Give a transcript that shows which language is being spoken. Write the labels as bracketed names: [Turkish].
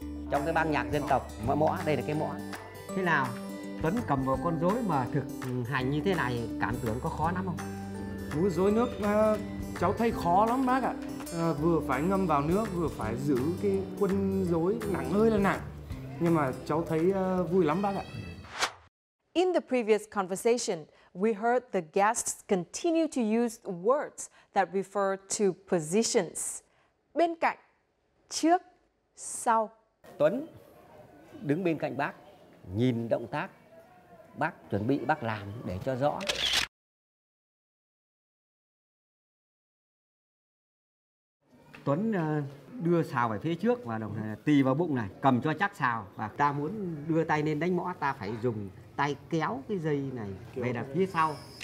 [Vietnamese] Trong cái ban nhạc dân tộc mõ, đây là cái mõ. Thế nào? Tuấn cầm vào con rối mà thực hành như thế này cảm tưởng có khó lắm không? Múa rối nước cháu thấy khó lắm bác ạ. Vừa phải ngâm vào nước, vừa phải giữ cái quân rối nặng ơi là nặng. Nhưng mà cháu thấy vui lắm bác ạ. [English] In the previous conversation, we heard the guests continue to use words that refer to positions. [Vietnamese] Bên cạnh, trước, sau. Tuấn đứng bên cạnh bác, nhìn động tác bác chuẩn bị, bác làm để cho rõ. Tuấn đưa sào về phía trước và đồng thời tì vào bụng này, cầm cho chắc sào, và ta muốn đưa tay lên đánh mõ ta phải dùng tay kéo cái dây này về đằng phía sau.